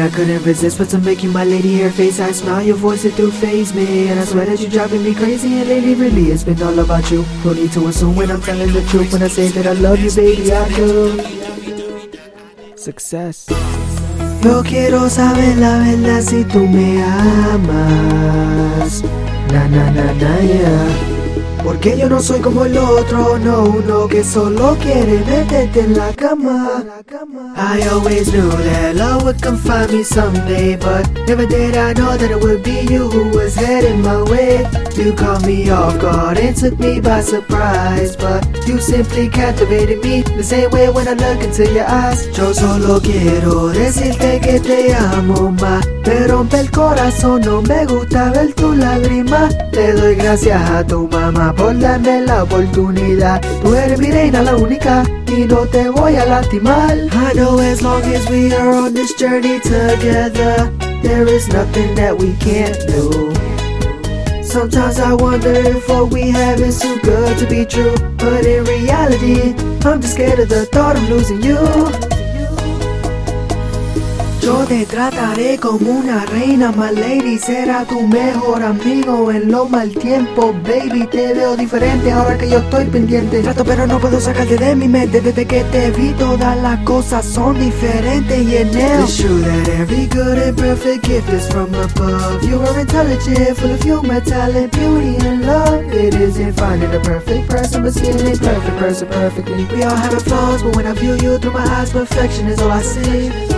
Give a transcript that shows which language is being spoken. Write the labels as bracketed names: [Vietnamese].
[English] I couldn't resist, but to make you my lady, her face, I smile, your voice, it do faze me. And I swear that you're driving me crazy, and lately, really, it's been all about you. No need to assume when I'm telling the truth. When I say that I love you, baby, I do. Success. [Spanish] Yo quiero saber la verdad si tú me amas. Na na na na yeah. Porque yo no soy como el otro, no, uno que solo quiere meterte en la cama. [English] I always knew that love would come find me someday, but never did I know that it would be you who was heading my way. You caught me off guard and took me by surprise, but you simply captivated me the same way when I look into your eyes. [Spanish] Yo solo quiero decirte que te amo, ma. Te rompe el corazón, no me gusta ver tu lágrima. Te doy gracias a tu mamá por darme la oportunidad. Tú eres mi reina, la única, y no te voy a lastimar. [English] I know as long as we are on this journey together, there is nothing that we can't do. Sometimes I wonder if what we have is too good to be true. But in reality, I'm just scared of the thought of losing you. [Spanish] Yo te trataré como una reina, [English] my lady. [Spanish] Será tu mejor amigo en lo mal tiempo, [English] baby. [Spanish] Te veo diferente ahora que yo estoy pendiente. Trato pero no puedo sacarte de mi mente. Desde que te vi todas las cosas son diferentes. Y en el [English] It's true that every good and perfect gift is from above. You are intelligent, full of humor, talent, beauty and love. It isn't finding the perfect person, but seeing the perfect person perfectly. We all have our flaws, but when I view you through my eyes, perfection is all I see.